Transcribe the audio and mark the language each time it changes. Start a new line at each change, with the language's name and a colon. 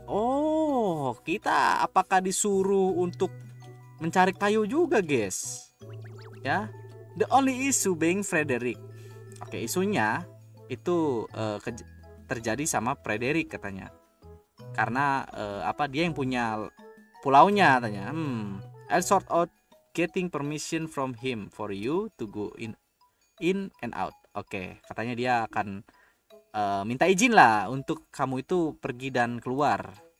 Indonesian: Oh, kita apakah disuruh untuk mencari kayu juga, guys? Ya,
English: the only issue being Frederick.
Indonesian: Oke, isunya itu terjadi sama Frederick katanya. Karena dia yang punya pulaunya katanya.
English: I'll sort out getting permission from him for you to go in and out.
Indonesian: Oke, katanya dia akan minta izin lah untuk kamu itu pergi dan keluar.